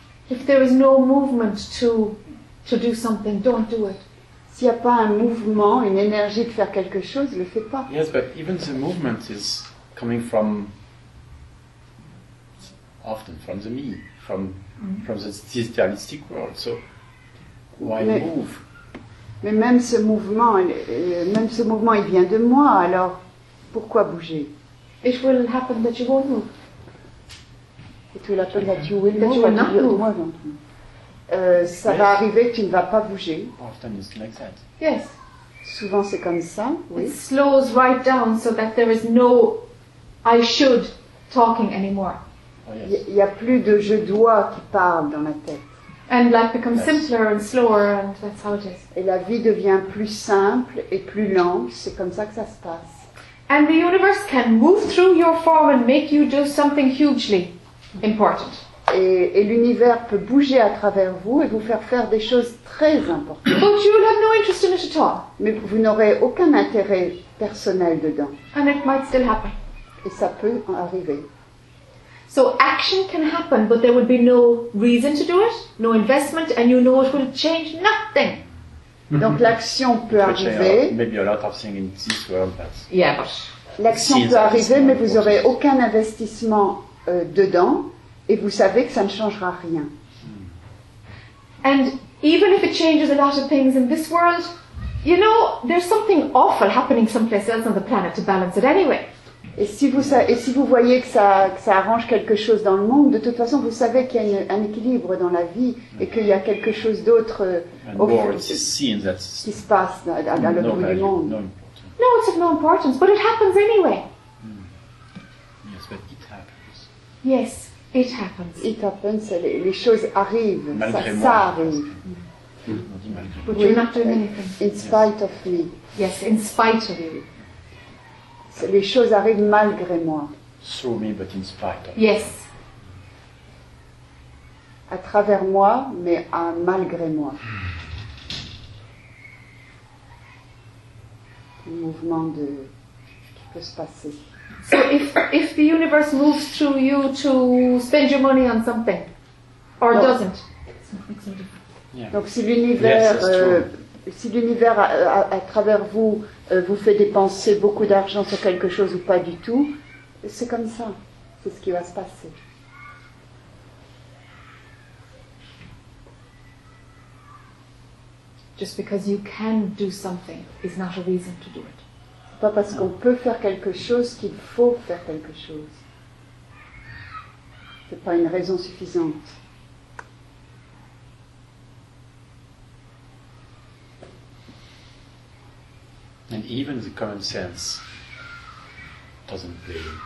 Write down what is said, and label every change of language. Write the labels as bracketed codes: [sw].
[en] If there is no movement to do something, don't do it. [fr] S'il n'y a pas un mouvement, une énergie de faire quelque chose, ne le fais pas. [en] Yes, but even the movement is coming from often from the me, from the idealistic world. So why [fr] Mais, [en] move? [fr] Mais même ce mouvement, il vient de moi, alors pourquoi bouger? [en] It will happen that you won't move. It will happen that you will move. That you will not move. [fr] Ça [en] yes. [fr] va arriver, tu ne vas pas bouger. [en] Often it's like that. Yes. [fr] Souvent c'est comme ça, oui. [en] It slows right down so that there is no I should talking anymore. Oh, yes. [fr] Il n'y a plus de je dois qui parle dans la tête. [en] And life becomes simpler and slower, and that's how it is. [fr] Et la vie devient plus simple et plus lente. C'est comme ça que ça se passe. [en] And the universe can move through your form and make you do something hugely important. [fr] Et l'univers peut bouger à travers vous et vous faire faire des choses très importantes. [en] But you will have no interest in it at all. [fr] Mais vous n'aurez aucun intérêt personnel dedans. [en] And it might still happen. [fr] Et ça peut arriver. [en] So action can happen, but there would be no reason to do it, no investment, and you know it will change nothing. [fr] Donc l'action peut arriver. [en] Maybe a lot of things in this world, but yeah. [fr] L'action peut arriver, mais vous n'aurez aucun investissement dedans, et vous savez que ça ne changera rien. [en] And even if it changes a lot of things in this world, you know, there's something awful happening someplace else on the planet to balance it anyway. [fr] Et si vous voyez que ça arrange quelque chose dans le monde, de toute façon, vous savez qu'il y a un équilibre dans la vie et qu'il y a quelque chose d'autre qui se passe dans le monde. [en] No, it's of no importance, but it happens anyway. Mm. Yes, but it happens. Yes, it happens. It happens, [fr] les choses arrivent, malgré ça arrive. Mm. [en] Would you not do anything? In spite of me. Yes, in spite of you. [fr] Les choses arrivent malgré moi. [en] Through me, but in spite of me. Yes. [fr] À travers moi, mais à malgré moi. Le mouvement de... qui peut se passer. [en] So if the universe moves through you to spend your money on something, or no. Doesn't? It's yeah. [fr] Donc si l'univers, yes, si l'univers à travers vous vous fait dépenser beaucoup d'argent sur quelque chose ou pas du tout, c'est comme ça, c'est ce qui va se passer. [en] Just because you can do something is not a reason to do it. [fr] Pas parce qu'on peut faire quelque chose qu'il faut faire quelque chose. C'est pas une raison suffisante. [en] And even the common sense doesn't play.